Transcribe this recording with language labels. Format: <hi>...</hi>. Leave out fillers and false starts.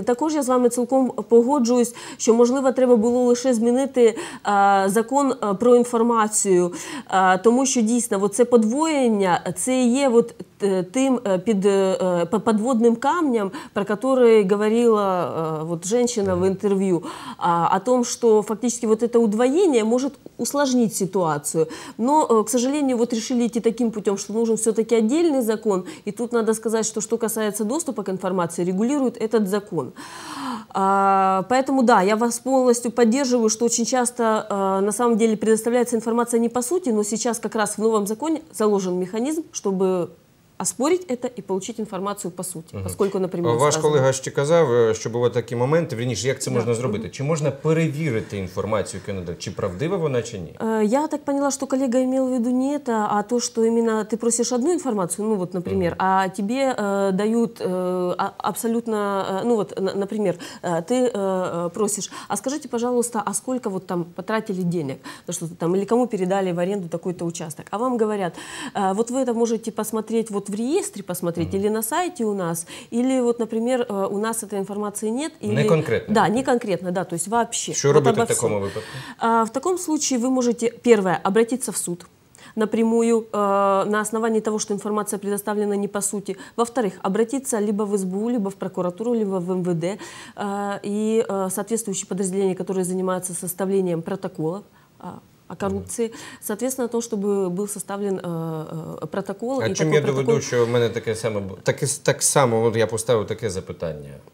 <uk>Я з вами цілком погоджуюсь, що, можливо, треба було лише змінити закон про інформацію, тому що, дійсно, це подвоєння, це є тим підводним камнем, про який говорила жінка в інтерв'ю, о том, що фактично це удвоєння може усложнити ситуацію. Но, к сожалению, решили йти таким путем, що нужен все-таки отдельний закон, і тут треба сказати, що касається доступу до інформації, регулює цей закон.</uk> <ru>Поэтому, да, я вас полностью поддерживаю, что очень часто на самом деле предоставляется информация не по сути, но сейчас как раз в новом законе заложен механизм, чтобы оспорить это и получить информацию по сути, угу. поскольку, например, ваш сказано...</ru> <uk>колега ще казав, що бувають такі моменти, верніше, як це можна зробити? Чи можна перевірити інформацію, яку надали? Чи правдива вона, чи ні?</uk> <ru>Я так поняла, що колега имел в виду не это, а то, що именно ти просиш одну інформацію, ну вот, например, угу. а тебе дають абсолютно, ну вот, например, ти просиш, а скажите, пожалуйста, а сколько вот там потратили денег на что-то там, или кому передали в аренду такой-то участок? А вам говорят, вот вы это можете посмотреть вот в реестре посмотреть, или на сайте у нас, или вот, например, у нас этой информации нет. Или... Не конкретно? Да, не конкретно, да, то есть вообще. Что вот делать в таком случае? В таком случае вы можете, первое, обратиться в суд напрямую на основании того, что информация предоставлена не по сути. Во-вторых, обратиться либо в СБУ, либо в прокуратуру, либо в МВД и соответствующие подразделения, которые занимаются составлением протокола. О корупції, соответственно, то, щоб був составлен протокол.</ru> <uk>А чим я доведу, що в мене таке саме так само я поставив таке запитання.</uk>